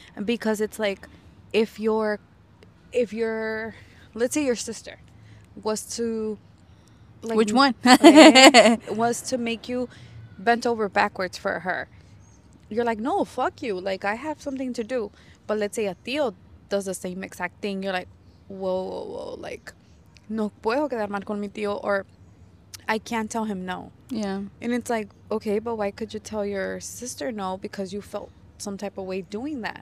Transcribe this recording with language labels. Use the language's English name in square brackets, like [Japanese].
[English] Because it's like, if you're, let's say your sister was to, like, which one? was to make you bent over backwards for her. You're like, no, fuck you. Like, I have something to do. But let's say a tío does the same exact thing. You're like, whoa, whoa, whoa. [Spanish] Like, no puedo quedar mal con mi tío. [English] Or I can't tell him no. Yeah. And it's like, okay, but why could you tell your sister no? Because you felt some type of way doing that.